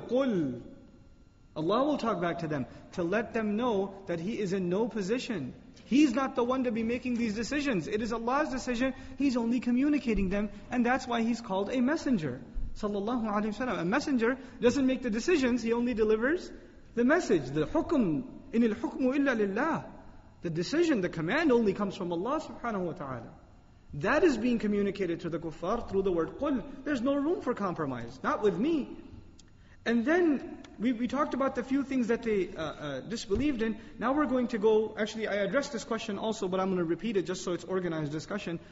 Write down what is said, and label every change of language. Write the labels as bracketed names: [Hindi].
[Arabic] قُلْ. [English] Allah will talk back to them, to let them know that He is in no position. He's not the one to be making these decisions. It is Allah's decision, He's only communicating them, and that's why He's called a messenger. Sallallahu alayhi wa sallam. A messenger doesn't make the decisions, he only delivers the message. The hukm, [Arabic] إِنِ الْحُكْمُ إِلَّا لِلَّهِ. [English] The decision, the command only comes from Allah subhanahu wa ta'ala. That is being communicated to the kuffar through the word qul. There's no room for compromise. Not with me. And then we talked about the few things that they disbelieved in. Now we're going to go, actually I addressed this question also, but I'm going to repeat it just so it's organized discussion.